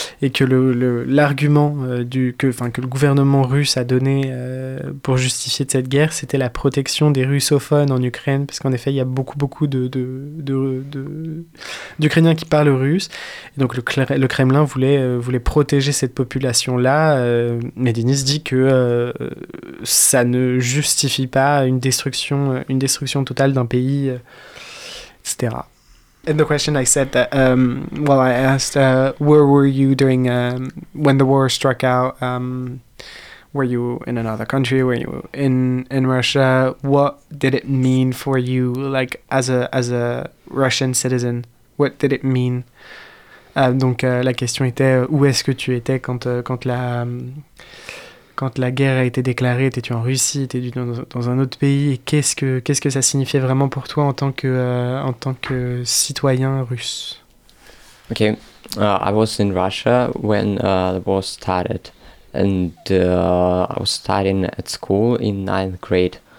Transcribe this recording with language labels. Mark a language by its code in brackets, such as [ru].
[fr] Et que l'argument que le gouvernement russe a donné pour justifier cette guerre, c'était la protection des russophones en Ukraine, parce qu'en effet, il y a beaucoup d'Ukrainiens qui parlent russe. Et donc le Kremlin voulait protéger cette population-là. Mais Denis dit que ça ne justifie pas une destruction totale d'un pays, etc. [en] In the question, I said that. I asked, where were you during when the war struck out? Were you in another country? Were you in Russia? What did it mean for you, like as a Russian citizen? What did it mean? [fr] La question était où est-ce que tu étais quand la guerre a été déclarée, étais-tu en Russie, étais-tu dans un autre pays, et qu'est-ce que ça signifiait vraiment pour toi en tant que citoyen russe? [en] Okay, I was in Russia when the war started, and I was studying at school in ninth grade.